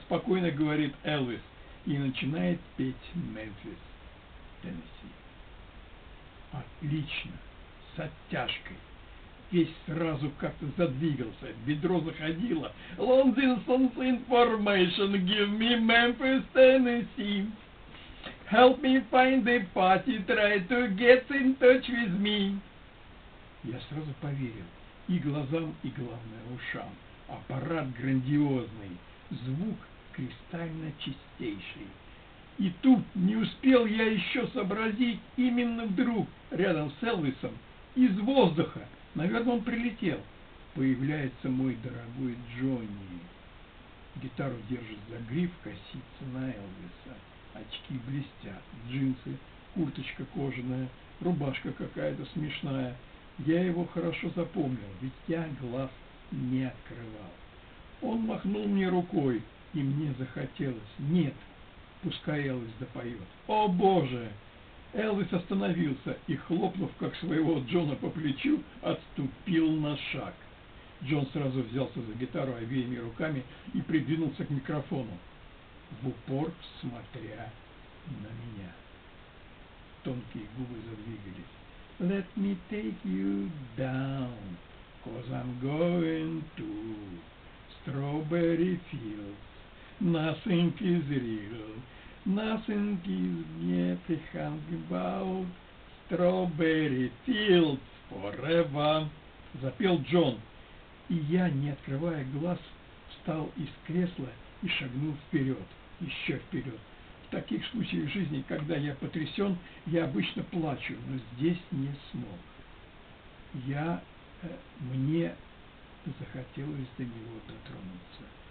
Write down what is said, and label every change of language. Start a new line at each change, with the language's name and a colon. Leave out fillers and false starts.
Russian: – спокойно говорит Элвис. И начинает петь «Мемфис, Теннесси». Отлично! С оттяжкой. Весь сразу как-то задвигался. Бедро заходило.
English: «Лондонс информейшн, give me Memphis, Теннесси». Help me find the party, try to get in touch with me.
Russian: Я сразу поверил и глазам, и главное ушам. Аппарат грандиозный, звук кристально чистейший. И тут не успел я еще сообразить, именно вдруг рядом с Элвисом из воздуха, наверное, он прилетел, появляется мой дорогой Джонни. Гитару держит за гриф, косится на Элвиса. Очки блестят, джинсы, курточка кожаная, рубашка какая-то смешная. Я его хорошо запомнил, ведь я глаз не открывал. Он махнул мне рукой, и мне захотелось. Нет, пускай Элвис допоет. О, Боже! Элвис остановился и, хлопнув как своего Джона по плечу, отступил на шаг. Джон сразу взялся за гитару обеими руками и придвинулся к микрофону, в упор смотря на меня. Тонкие губы задвигались.
English: Let me take you down, 'cause I'm going to strawberry fields. Nothing is real, nothing is nothing about strawberry fields forever.
Russian: Запел Джон. И я, не открывая глаз, встал из кресла и шагнул вперед. Еще вперед. В таких случаях жизни, когда я потрясен, я обычно плачу, но здесь не смог. Мне захотелось до него дотронуться.